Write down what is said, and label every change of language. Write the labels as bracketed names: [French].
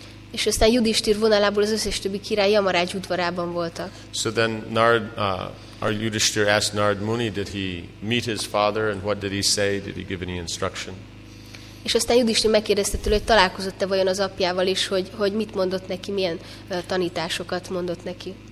[Hungarian] És aztán Yudhishthir vonalából az összes többi király Yamaraj udvarában voltak. [English] So then Narad Our Yudhishthir asked Narad Muni, did he meet his father and what did he say? Did he give any instruction? [Hungarian] És aztán Yudhishthir megkérdezte tőle, hogy találkozott-e vajon az apjával is, hogy mit mondott neki, milyen tanításokat mondott neki.